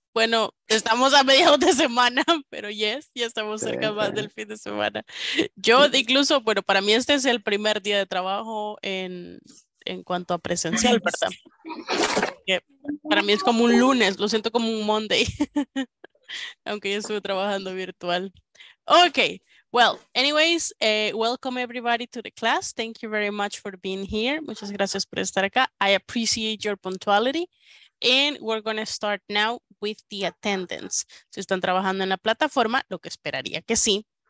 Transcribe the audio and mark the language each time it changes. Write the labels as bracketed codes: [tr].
[es] Bueno, estamos a mediados de semana, pero yes, ya estamos cerca más del fin de semana. Yo incluso, bueno, para mí este es el primer día de trabajo en cuanto a presencial, ¿verdad? Que para mí es como un lunes, lo siento como un Monday, aunque yo estuve trabajando virtual. [en] Okay, well, anyways, welcome everybody to the class. Thank you very much for being here. [es] Muchas gracias por estar acá. [en] I appreciate your punctuality. And we're going to start now with the attendance. [es] Si están trabajando en la plataforma, lo que esperaría que sí.